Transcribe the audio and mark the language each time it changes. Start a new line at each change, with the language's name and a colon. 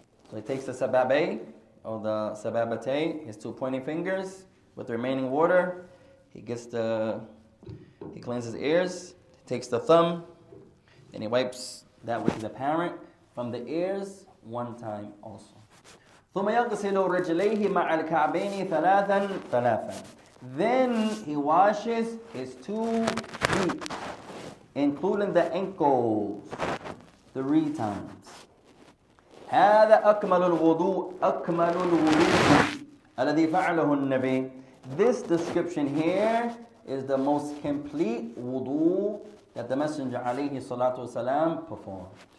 English: So he takes the sababa, or the sababate, his two pointing fingers, with the remaining water, he cleans his ears, takes the thumb, and he wipes that which is apparent from the ears one time also.
Arabic: ثُمَّ يَغْسِلُ رِجْلَيْهِ مَعَ الْكَعْبَيْنِ ثَلَاثًا ثَلَاثًا.
English: Then he washes his two feet, including the ankles, three times.
Arabic: هذا أكمل الوضوء أكمل الوضوء الذي فعله النبي.
English: This description here is the most complete wudu that the Messenger
Arabic: عليه الصلاة والسلام
English: performed.